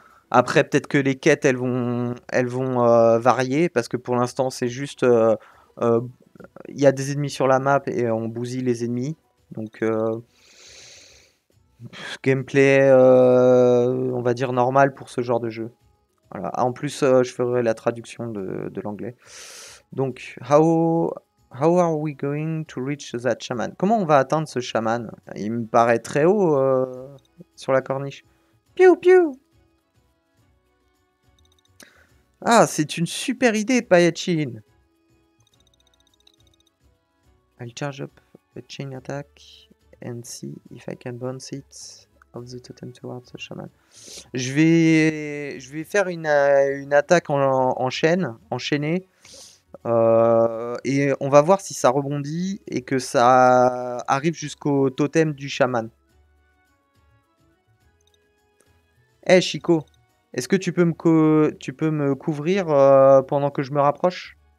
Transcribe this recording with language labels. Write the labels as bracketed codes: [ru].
[fr] Après, peut-être que les quêtes, elles vont varier, parce que pour l'instant, c'est juste... Il y a des ennemis sur la map et on bousille les ennemis. Donc gameplay, on va dire normal pour ce genre de jeu. Voilà. En plus, je ferai la traduction de l'anglais. [en] Donc, how are we going to reach that shaman? [fr] Comment on va atteindre ce shaman? Il me paraît très haut sur la corniche. Piou piou! Ah, c'est une super idée, Payachin! [en] I'll charge up a chain attack and see if I can bounce it off the totem towards the shaman. [fr] Je vais faire une attaque en chaîne, enchaînée. Et on va voir si ça rebondit et que ça arrive jusqu'au totem du chaman. Hey Chico, est-ce que tu peux me couvrir pendant que je me rapproche?